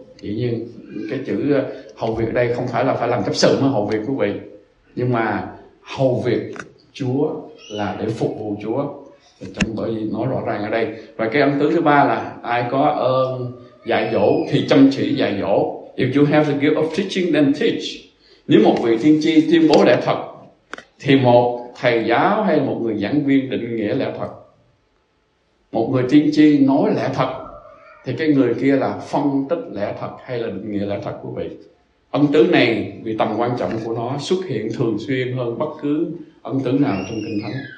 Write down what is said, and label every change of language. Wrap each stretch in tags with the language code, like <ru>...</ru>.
<vi>Dĩ nhiên cái chữ hầu việc đây không phải là phải làm chấp sự mà hầu việc quý vị, nhưng mà hầu việc Chúa là để phục vụ Chúa, chẳng bởi vì nói rõ ràng ở đây. Và cái ân tứ thứ ba là ai có ơn dạy dỗ thì chăm chỉ dạy dỗ.</vi> <en>If you have the gift of teaching, then teach.</en> <vi>Nếu một vị tiên tri tuyên bố lẽ thật thì một thầy giáo hay một người giảng viên định nghĩa lẽ thật. Một người tiên tri nói lẽ thật thì cái người kia là phân tích lẽ thật hay là định nghĩa lẽ thật của vị. Ân tứ này vì tầm quan trọng của nó xuất hiện thường xuyên hơn bất cứ ân tứ nào trong Kinh Thánh.</vi>